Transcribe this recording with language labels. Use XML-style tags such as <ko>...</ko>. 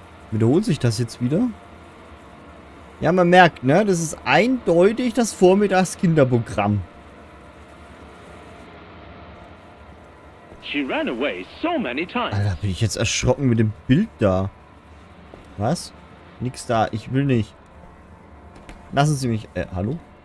<de>Wiederholt sich das jetzt wieder? Ja, man merkt, ne? Das ist eindeutig das Vormittagskinderprogramm.</de> <en>She ran away so many times.</en> <de>Alter, bin ich jetzt erschrocken mit dem Bild da. Was? Nix da, ich will nicht. Lassen Sie mich. Hallo?</de>